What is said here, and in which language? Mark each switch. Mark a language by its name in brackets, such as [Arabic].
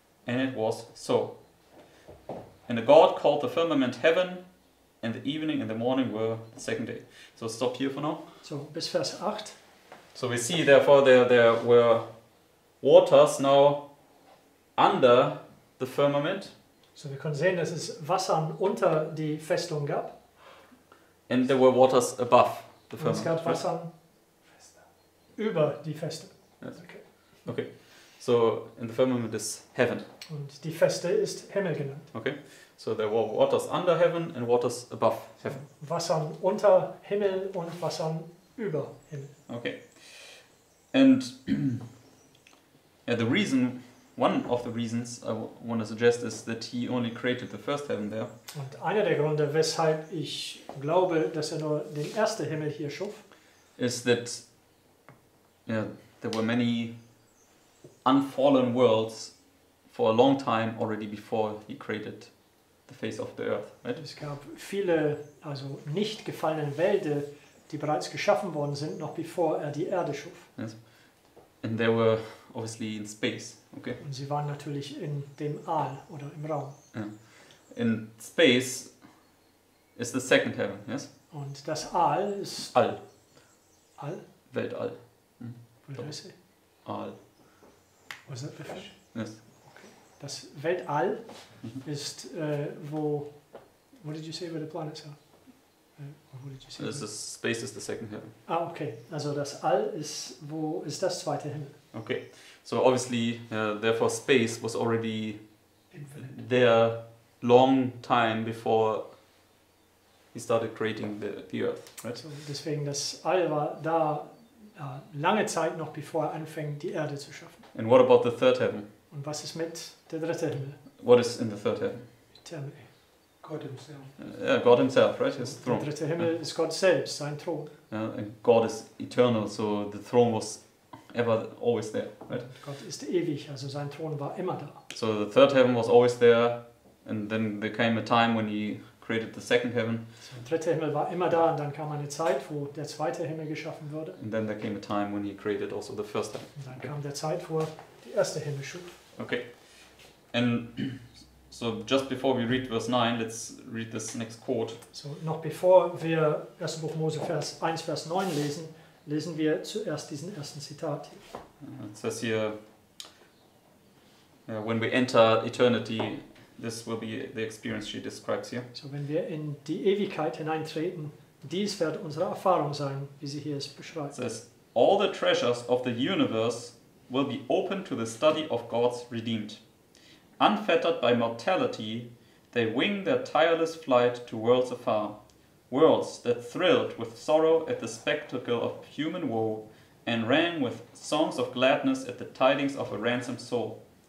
[English] And it was so. And the God called the firmament heaven, and the evening and the morning were the second day. So stop here for now. [German] So, bis Vers 8. [English] So we see, therefore, there were waters now under the firmament. [German] So wir können sehen, dass es Wassern unter die Festung gab. [English] And there were waters above the firmament. [German] Und es gab Wassern über die Feste. [English] Yes. Okay. So in the firmament is heaven. [German] Und die Feste ist Himmel genannt. [English] Okay. So there were waters under heaven and waters above heaven. [German] Wassern unter Himmel und Wassern über Himmel. [English] Okay. And yeah, the reason. One of the reasons I want to suggest is that he only created the first heaven there. [German] Und einer der Gründe, weshalb ich glaube, dass er nur den ersten Himmel hier schuf, [English] is that yeah, there were many unfallen worlds for a long time already before he created the face of the earth. Right? [German] Es gab viele, also nicht gefallene Welten, die bereits geschaffen worden sind, noch bevor er die Erde schuf. [English] Yes. And there were obviously in space. Okay. [German] Und sie waren natürlich in dem All oder im Raum. [English] Yeah. In space is the second heaven, yes? [German] Und das All ist All. All? Weltall. [English] Hm. What did I say? [German] All. Was ist das? Fisch. [English] Yes. [German] Okay. Das Weltall ist, wo... [English] What did you say where the planets are? What did you say? This is space is the second heaven. Ah, okay. [German] Also das All ist, wo ist das zweite Himmel? [English] Okay. So obviously, therefore space was already infinite. There long time before he started creating the Earth, right? [German] So deswegen das All war da lange Zeit noch bevor er anfängt die Erde zu schaffen. [English] And what about the third heaven? [German] Und was ist mit der dritte Himmel? [English] What is in the third heaven? Eternity. God himself. Yeah, God himself, right? His throne. [German] Der dritte Himmel ist Gott selbst, sein Thron. [English] Yeah, and God is eternal, so the throne was ever always there, right? [German] Gott ist ewig, also sein Thron war immer da. [English] So the third heaven was always there, and then there came a time when he created the second heaven. [German] So der dritte Himmel war immer da, und dann kam eine Zeit, wo der zweite Himmel geschaffen wurde. [English] And then there came a time when he created also the first heaven. [German] Und dann kam der Zeit, wo der erste Himmel schuf. [English] Okay. And so just before we read verse 9, let's read this next quote. [German] So noch bevor wir 1. Buch Mose Vers 1 Vers 9 lesen, lesen wir zuerst diesen ersten Zitat. [English] It says here, when we enter eternity, this will be the experience she describes here. [German] So wenn wir in die Ewigkeit hineintreten, dies wird unsere Erfahrung sein, wie sie hier es beschreibt. [English] It says, all the treasures of the universe will be open to the study of God's redeemed. Unfettered by mortality, they wing their tireless flight to worlds afar. Worlds that thrilled with sorrow at the spectacle of human woe and rang with songs of gladness at the tidings of a ransomed soul.